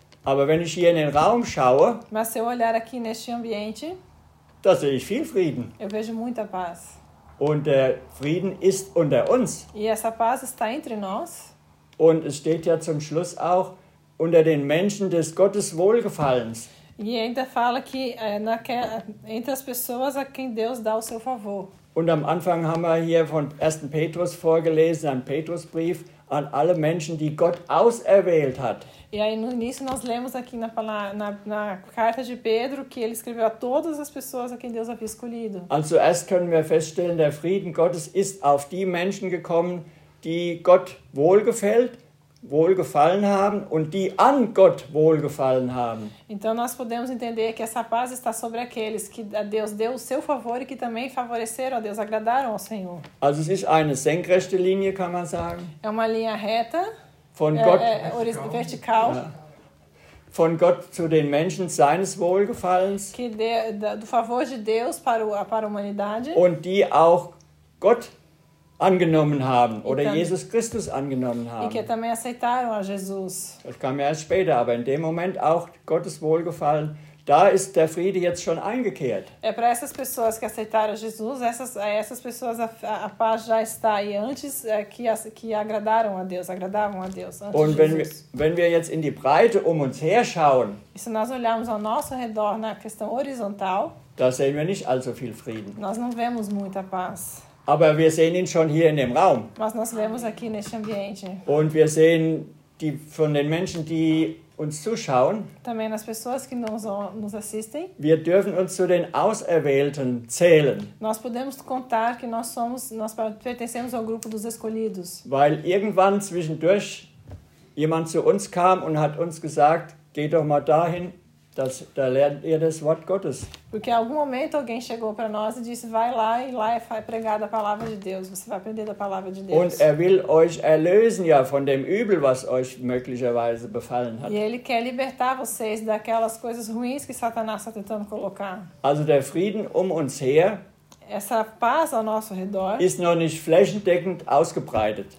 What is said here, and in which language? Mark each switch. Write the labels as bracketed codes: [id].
[de] Aber wenn ich hier in den Raum schaue, [pt] mas se eu olhar aqui neste ambiente, [de] da sehe ich viel Frieden. [pt] Eu vejo muita paz. [de] Und der Frieden ist unter uns. [pt] E essa paz está entre nós. [de] Und es steht ja zum Schluss auch unter den Menschen des Gottes Wohlgefallens. [pt] E ainda fala que entre as pessoas a quem Deus dá o seu favor. [de] Und am Anfang haben wir hier von 1. Petrus vorgelesen, einen Petrusbrief an alle Menschen, die Gott auserwählt hat. [pt] E aí no início nós lemos aqui na carta de Pedro que ele escreveu a todas as pessoas a quem Deus havia escolhido. [de] Also erst können wir feststellen, der Frieden Gottes ist auf die Menschen gekommen, die Gott wohlgefallen haben und die an Gott wohlgefallen haben. [pt] Então nós podemos entender que essa paz está sobre aqueles que a Deus deu o seu favor e que também favoreceram a Deus, agradaram ao Senhor. [de] Also es ist eine senkrechte Linie, kann man sagen. [pt] É uma linha reta. [de] Von Gott vertikal. Ja. von Gott zu den Menschen seines Wohlgefallens. [pt] Que do favor de Deus para a humanidade. [de] Und die auch Gott angenommen haben oder Jesus Christus angenommen haben. [pt] E que também aceitaram a Jesus. [de] Das kam erst später, aber in dem Moment auch Gottes Wohlgefallen. Da ist der Friede jetzt schon eingekehrt. [pt] É para essas pessoas que aceitaram Jesus, essas pessoas a paz já está aí antes que agradaram a Deus, agradavam a Deus antes. [de] Und wenn wir jetzt in die Breite um uns her schauen. [pt] E se nós olharmos ao nosso redor na questão horizontal. [de] Da sehen wir nicht allzu viel Frieden. [pt] Nós não vemos muita paz. [de] Aber wir sehen ihn schon hier in dem Raum. [pt] Mas nós vemos aqui neste ambiente. [de] Und wir sehen die von den Menschen, die uns zuschauen. [pt] Também nas pessoas que nos assistem. [de] Wir dürfen uns zu den Auserwählten zählen. [pt] Nós podemos contar que nós pertencemos ao grupo dos escolhidos. [de] Weil irgendwann zwischendurch jemand zu uns kam und hat uns gesagt, geh doch mal dahin. Da lernt ihr das Wort Gottes. [pt] Porque em algum momento alguém chegou para nós e disse, vai lá e lá é pregada a palavra de Deus. Você vai aprender da palavra de Deus. [de] Und er will euch erlösen ja von dem Übel, was euch möglicherweise befallen hat. [pt] E ele quer libertar vocês daquelas coisas ruins que Satanás está tentando colocar. [de] Also der Frieden um uns her. [pt] Essa paz ao nosso redor. [de] Ist noch nicht flächendeckend ausgebreitet.